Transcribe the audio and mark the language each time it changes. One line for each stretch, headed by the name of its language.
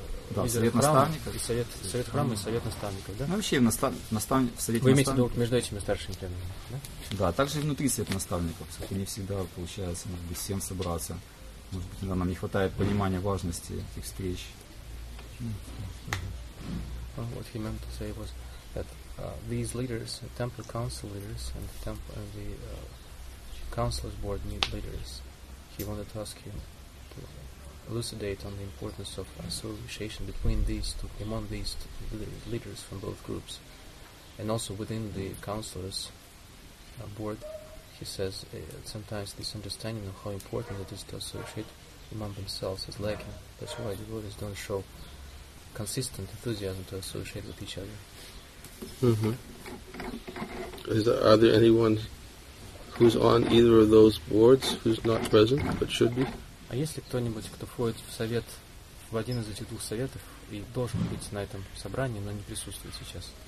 Russian: Да, совет наставников. Совет храма и совет наставников, да? Ну, вообще, в совете вы имеете в виду между этими старшими членами, да? Да, также и внутри совет наставников. Все-таки не всегда получается, может быть, всем собраться. Может быть, нам не хватает понимания важности этих встреч.
English: What he meant to say was that these leaders, the temple council leaders, and the temple and the council's board need leaders. He wanted to ask you to elucidate on the importance of association between these two, among these two leaders from both groups, and also within the counselors board. He says sometimes this understanding of how important it is to associate among themselves is lacking. That's why devotees don't show consistent enthusiasm to associate with each other. Mm-hmm. Are there anyone who's on either of those boards who's not present but should be?
Russian: А есть ли кто-нибудь, кто входит в совет, в один из этих двух советов и должен быть на этом собрании, но не присутствует сейчас?